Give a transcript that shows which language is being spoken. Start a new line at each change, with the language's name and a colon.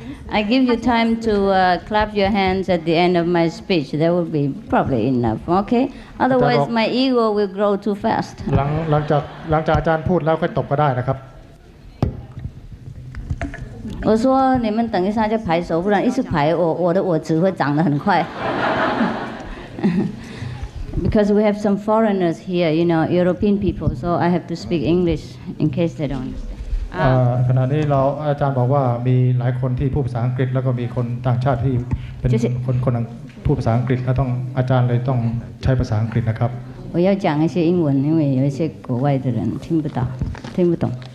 English: I give you time to clap your hands at the end of my speech. That will be probably enough. Okay. Otherwise, my ego will grow too fast.
Thai: หลังจากอาจารย์พูดแล้วค่อยตบก็ได้นะครับ
Chinese: 我说你们等一下就排手，不然一直排我只会长得很快。
English: Because we have some foreigners here, you know, European people, so I have to speak English in case they don't understand.
Thai: ขณะนี้เราอาจารย์บอกว่ามีหลายคนที่พูดภาษาอังกฤษแล้วก็มีคนต่างชาติที่เป็นคนพูดภาษาอังกฤษก็ต้องอาจารย์เลยต้องใช้ภาษาอังกฤษนะครับ
Chinese: 我要讲一些英文，因为有一些国外的人听不到，听不懂。